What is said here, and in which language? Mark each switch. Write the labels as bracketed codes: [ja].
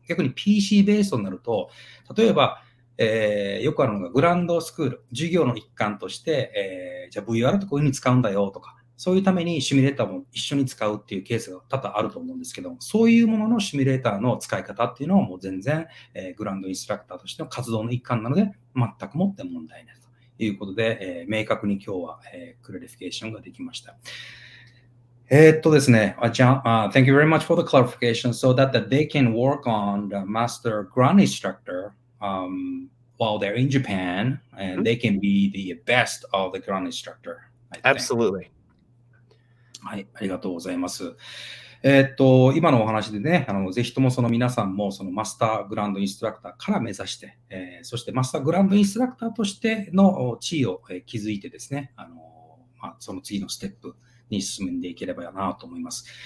[ja] 逆に PC ベースになると、例えば、よくあるのがグランドスクール、授業の一環として、じゃあ VR ってこういうふうに使うんだよとか、そういうためにシミュレーターも一緒に使うっていうケースが多々あると思うんですけど、そういうもののシミュレーターの使い方っていうのはもう全然、グランドインストラクターとしての活動の一環なので、全くもって問題ないということで、明確に今日は、クラリフィケーションができました。ですね、 [en] thank you very much for the clarification so that, that they can work on the master ground instructor、while they're in Japan and they can be the best of the ground instructor. Absolutely. [ja] はい、ありがとうございます。今のお話でね、ぜひともその皆さんもそのマスターグランドインストラクターから目指して、そしてマスターグランドインストラクターとしての地位を築いてですね、まあ、その次のステップに進んでいければなと思います。